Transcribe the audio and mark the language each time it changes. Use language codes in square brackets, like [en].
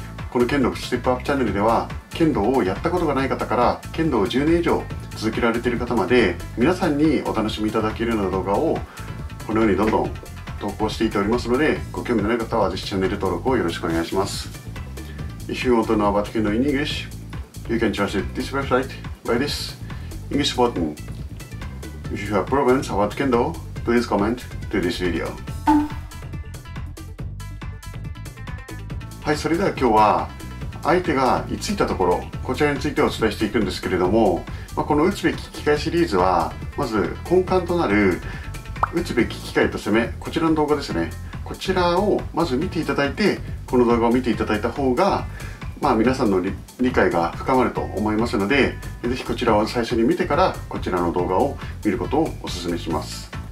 [ja] この剣道ステップアップチャンネルでは、剣道をやったことがない方から剣道を10年以上続けられている方まで、皆さんにお楽しみいただけるような動画をこのようにどんどん投稿していておりますので、ご興味のない方はぜひチャンネル登録をよろしくお願いします。 [en] If you want to know about Kendo in English, you can translate this website by this English button. If you have problems about Kendo, please comment to this video. [ja] はい、それでは今日は相手が居ついたところ、こちらについてお伝えしていくんですけれども、この打つべき機会シリーズは、まず根幹となる打つべき機会と攻め、こちらの動画ですね。こちらをまず見ていただいて、この動画を見ていただいた方が、皆さんの理解が深まると思いますので、ぜひこちらを最初に見てからこちらの動画を見ることをお勧めします。